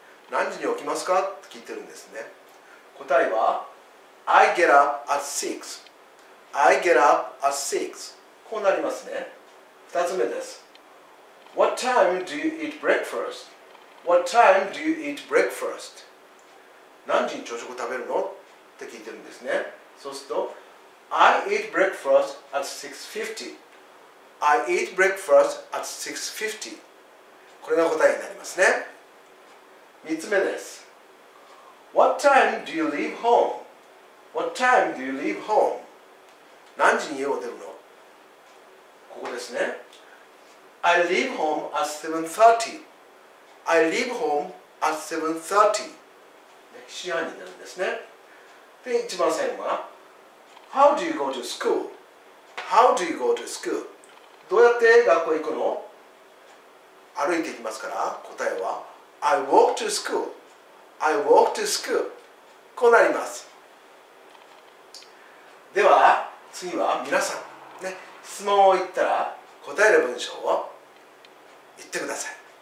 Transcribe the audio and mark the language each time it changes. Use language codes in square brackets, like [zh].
[ja] 何時に起きますかと聞いてるんですね。答えは、 [en] I get up at 6. I get up at 6. [ja] こうなりますね。二つ目です。 [en] What time do you eat breakfast? What time do you eat breakfast? [ja] 何時に朝食を食べるのって聞いてるんですね。そうすると、 [en] I eat breakfast at 6:50. I eat breakfast at 6:50. [ja] これが答えになりますね。 3つ目です。 [en] What time do you leave home? What time do you leave home? [ja] 何時に家を出るの？ここですね。 [en] I leave home at 7:30. I leave home at 7:30. [ja] 7時半になるんですね。で、一番最後は、 [en] How do you go to school? How do you go to school? [ja] どうやって学校行くの？歩いて行きますから答えは [en] I walk to school. I walk to school. [ja] こうなります。では次は皆さん、ね、質問を言ったら答える文章を言ってください。